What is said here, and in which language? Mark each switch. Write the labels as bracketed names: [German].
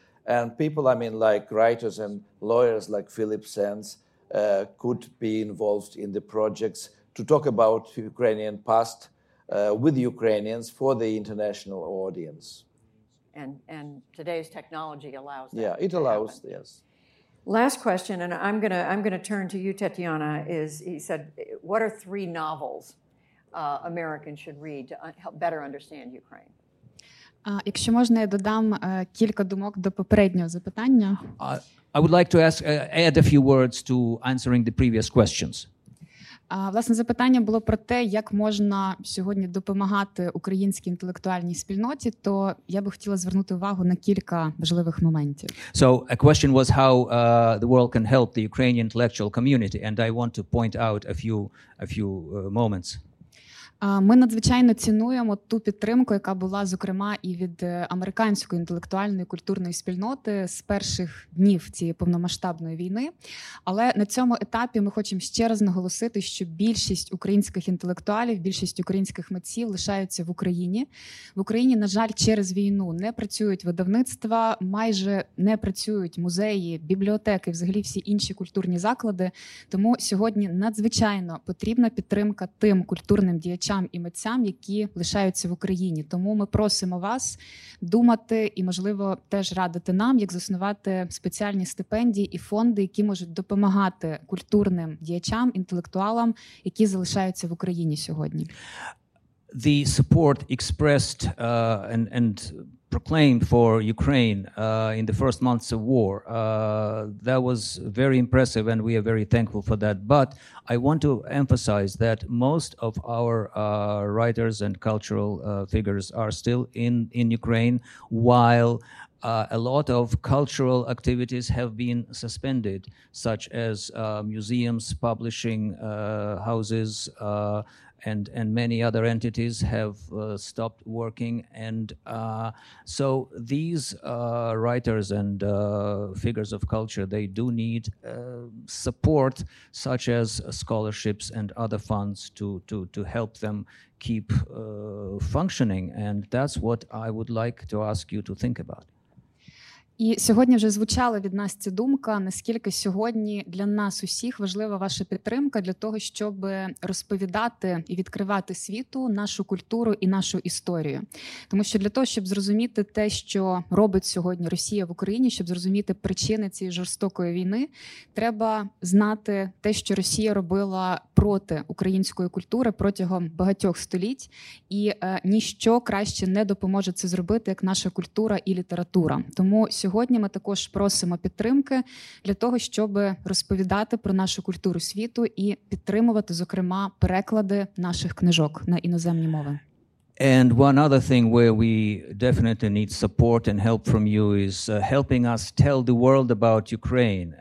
[English] And people, I mean, like writers and lawyers like Philip Sands could be involved in the projects to talk about Ukrainian past with Ukrainians for the international audience. And today's technology allows that. Yeah, it allows, yes. Last question, and I'm gonna turn to you, Tatiana. He said, what are three novels Americans should read to help better understand Ukraine? [Ukrainian] Якщо можна, я додам кілька думок до попереднього запитання. [English] I would like to add a few words to answering the previous questions. [Ukrainian] Власне, запитання було про те, як можна сьогодні допомагати українській інтелектуальній спільноті, то я би хотіла звернути увагу на кілька важливих моментів. [English] So, a question was how the world can help the Ukrainian intellectual community, and I want to point out a few moments. [Ukrainian] Ми надзвичайно цінуємо ту підтримку, яка була, зокрема, і від американської інтелектуальної культурної спільноти з перших днів цієї повномасштабної війни. Але на цьому етапі ми хочемо ще раз наголосити, що більшість українських інтелектуалів, більшість українських митців лишаються в Україні. В Україні, на жаль, через війну не працюють видавництва, майже не працюють музеї, бібліотеки, взагалі всі інші культурні заклади. Тому сьогодні надзвичайно потрібна підтримка тим культурним діячам, і митцям, які лишаються в Україні. Тому ми просимо вас думати і, можливо, теж радити нам, як заснувати спеціальні стипендії і фонди, які можуть допомагати культурним діячам, інтелектуалам, які залишаються в Україні сьогодні. [English] The support expressed and proclaimed for Ukraine in the first months of war, that was very impressive, and we are very thankful for that. But I want to emphasize that most of our writers and cultural figures are still in Ukraine, while a lot of cultural activities have been suspended, such as museums, publishing houses, and many other entities have stopped working. And so these writers and figures of culture, they do need support, such as scholarships and other funds to help them keep functioning. And that's what I would like to ask you to think about. [Ukrainian] І сьогодні вже звучала від нас ця думка, наскільки сьогодні для нас усіх важлива ваша підтримка для того, щоб розповідати і відкривати світу нашу культуру і нашу історію. Тому що для того, щоб зрозуміти те, що робить сьогодні Росія в Україні, щоб зрозуміти причини цієї жорстокої війни, треба знати те, що Росія робила проти української культури протягом багатьох століть. І ніщо краще не допоможе це зробити, як наша культура і література. Тому сьогодні ми також просимо підтримки для того, щоб розповідати про нашу культуру світу і підтримувати, зокрема, переклади наших книжок на іноземні мови. [English] And one other thing where we definitely need support and help from you is helping us tell the world about Ukraine.